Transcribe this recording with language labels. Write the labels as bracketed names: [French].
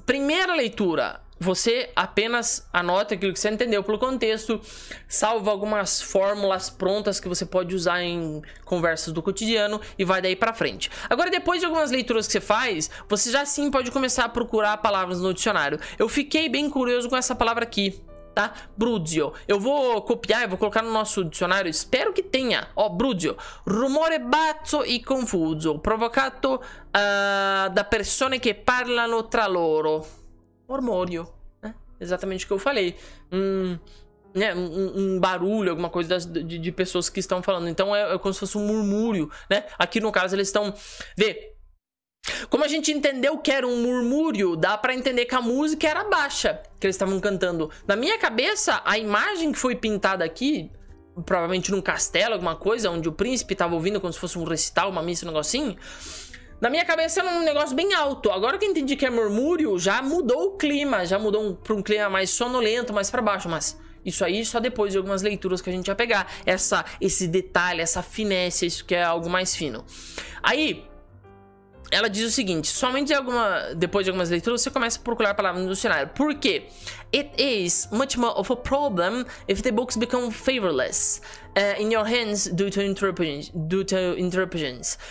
[Portuguese] Primeira leitura, você apenas anota aquilo que você entendeu pelo contexto, salva algumas fórmulas prontas que você pode usar em conversas do cotidiano e vai daí pra frente. Agora, depois de algumas leituras que você faz, você já sim pode começar a procurar palavras no dicionário. Eu fiquei bem curioso com essa palavra aqui, tá? Brudzio. Eu vou copiar e vou colocar no nosso dicionário, espero que tenha. Ó, brudzio. [Italian] Rumore basso e confuso, provocato da persone che parlano tra loro. Mormorio, né? [Portuguese] Exatamente o que eu falei. Um barulho, alguma coisa de pessoas que estão falando. Então é como se fosse um murmúrio, né? Aqui no caso eles estão... Vê, como a gente entendeu que era um murmúrio, dá pra entender que a música era baixa, que eles estavam cantando. Na minha cabeça, a imagem que foi pintada aqui, provavelmente num castelo, alguma coisa, onde o príncipe estava ouvindo como se fosse um recital, uma missa, um negocinho... Na minha cabeça era um negócio bem alto. Agora que eu entendi que é murmúrio, já mudou o clima. Já mudou para um clima mais sonolento, mais para baixo. Mas isso aí só depois de algumas leituras que a gente ia pegar. Esse detalhe, essa finesse, isso que é algo mais fino. Aí, ela diz o seguinte. Somente depois de algumas leituras, você começa a procurar palavras no dicionário. Por quê? [English] It is much more of a problem if the books become favorless in your hands due to interruptions.